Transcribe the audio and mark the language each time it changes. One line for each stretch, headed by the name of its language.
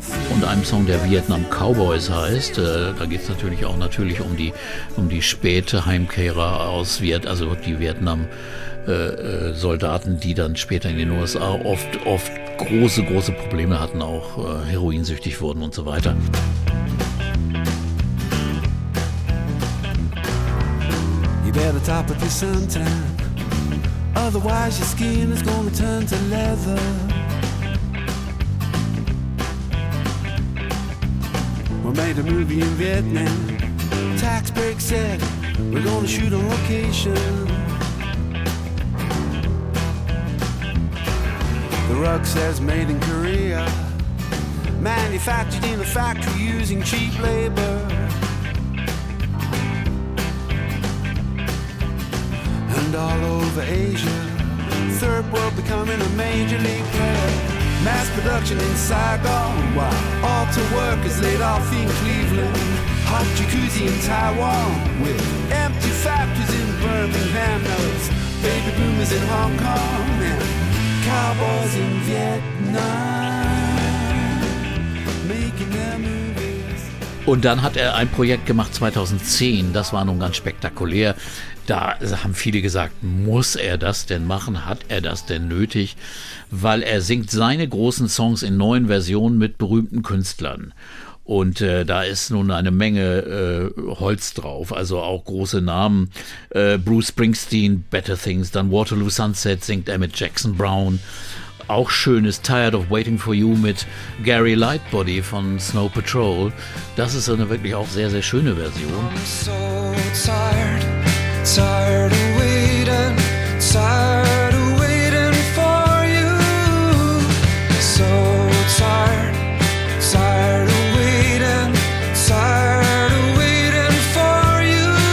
German: Und einem Song, der Vietnam Cowboys heißt, da geht es natürlich auch um die späte Heimkehrer aus Vietnam, also die Vietnam Soldaten, die dann später in den USA oft große Probleme hatten, auch heroinsüchtig wurden und so weiter.
English: You better top up your suntan, otherwise your skin is gonna turn to leather. We made a movie in Vietnam. Tax break said we're gonna shoot on location. rug says made in Korea, manufactured in a factory using cheap labor. And all over Asia, third world becoming a major league player. Mass production in Saigon, while auto workers laid off in Cleveland. Hot jacuzzi in Taiwan, with empty factories in Birmingham. Now it's baby boomers in Hong Kong and cowboys in Vietnam making their movies.
German: Und dann hat er ein Projekt gemacht 2010, das war nun ganz spektakulär. Da haben viele gesagt, muss er das denn machen? Hat er das denn nötig? Weil er singt seine großen Songs in neuen Versionen mit berühmten Künstlern. Und da ist nun eine Menge Holz drauf, also auch große Namen. Bruce Springsteen, Better Things, dann Waterloo Sunset singt er mit Jackson Brown. Auch schön ist Tired of Waiting for You mit Gary Lightbody von Snow Patrol. Das ist eine wirklich auch sehr, sehr schöne Version.
English: Tired of waiting, tired of waiting for you. So tired, tired of waiting, tired of waiting for you.